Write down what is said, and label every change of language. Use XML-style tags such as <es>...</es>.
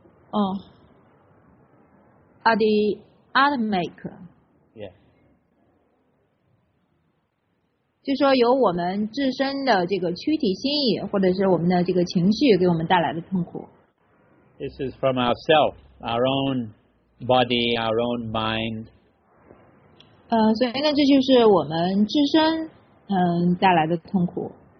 <sa>哦。 Adhyatmik.</sa> <en>Yes.</en> <zh>就是说由我们自身的这个躯体心意或者是我们的这个情绪给我们带来的痛苦。</zh> <en>This is from ourself, our own body, our own mind.</en> <zh>所以呢这就是我们自身带来的痛苦。</zh>